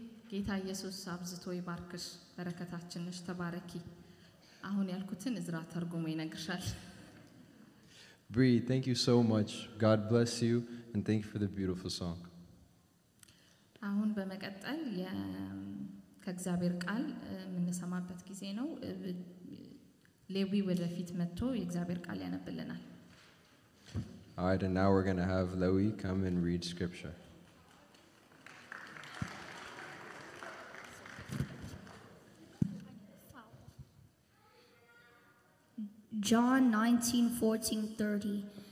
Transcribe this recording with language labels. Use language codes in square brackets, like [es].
[am] ጌታ ኢየሱስ አብዝቶ ይባርክሽ በረከታችንሽ ተባረኪ አሁን ያልኩትን እዝራ ተርጉሞ ይነግርሻል. [en] Bree, thank you so much. God bless you and thank you for the beautiful song. [am] አሁን በመቀጠል የ ከእግዚአብሔር ቃል ምን ሰማበት ጊዜ ነው ሌዊ ወደፊት መጥቶ የእግዚአብሔር ቃል ያነብልናል. [en] All right, and now we're going to have Loi come and read scripture. John 19:14-30.